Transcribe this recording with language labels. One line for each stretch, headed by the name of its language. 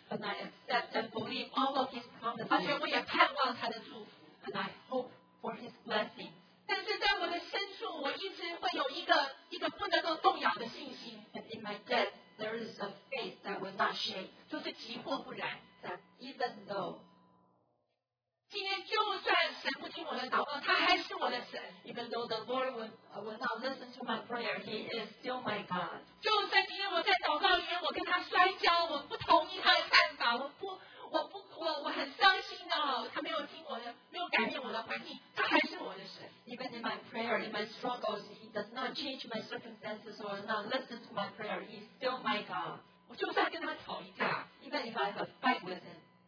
English: ，and I accept and believe all of His promises.
Chinese: 而且我也盼望他的祝福
English: ，and I hope for His blessing.
Chinese: 但是在我的深处，我一直会有一个不能够动摇的信心
English: ，and in my depth there is a faith that will not shake.
Chinese: 就是急或不然
English: ，that even though.
Chinese: 今天就算神不听我的祷告，他还是我的神。
English: Even though the Lord will not listen to my prayer, He is still my God.
Chinese: 就算今天我在祷告里面，我跟他摔跤，我不同意他的看法，我很伤心的哦，他没有听我的，没有改变我的环境，他还是我的神。
English: Even in my prayer, in my struggles, He does not change my circumstances or not listen to my prayer. He is still my God.
Chinese: 我就算跟他吵一架
English: ，Even if I have a fight with Him,